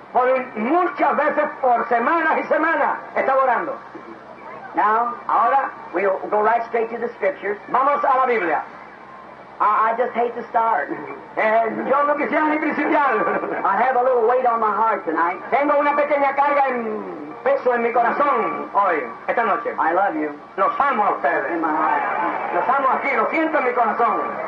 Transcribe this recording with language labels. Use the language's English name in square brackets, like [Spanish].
[Spanish] Por muchas veces por semanas y semanas está orando. [English] Now, [Spanish] ahora, [English] we'll go right straight to the scriptures. [Spanish] Vamos a la Biblia. [English] I just hate to start. [Spanish] Yo no quisiera ni principiar. [English] I have a little weight on my heart tonight. [Spanish] Tengo una pequeña carga en peso en mi corazón hoy, esta noche. [English] I love you. [Spanish] Los amo a ustedes. [English] In my heart. [Spanish] Los amo aquí, lo siento en mi corazón.